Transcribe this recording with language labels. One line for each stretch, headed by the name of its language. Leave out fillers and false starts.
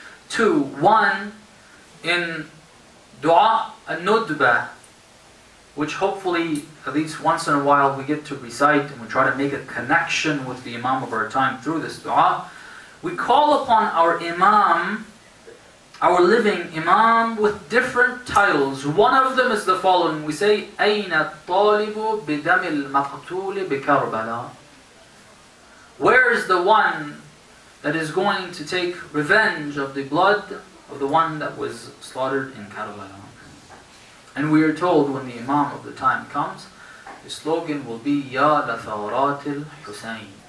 English: Two, one, in Dua al-Nudbah, which hopefully at least once in a while we get to recite and we try to make a connection with the Imam of our time through this Dua, we call upon our Imam, our living Imam, with different titles. One of them is the following. We say,
Arabic: أَيْنَ الطَّالِبُ بِدَمِ الْمَقْتُولِ بِكَرْبَلَى.
English: Where is the one that is going to take revenge of the blood of the one that was slaughtered in Karbala? And we are told when the Imam of the time comes, his slogan will be, Ya Lathawratil Hussein.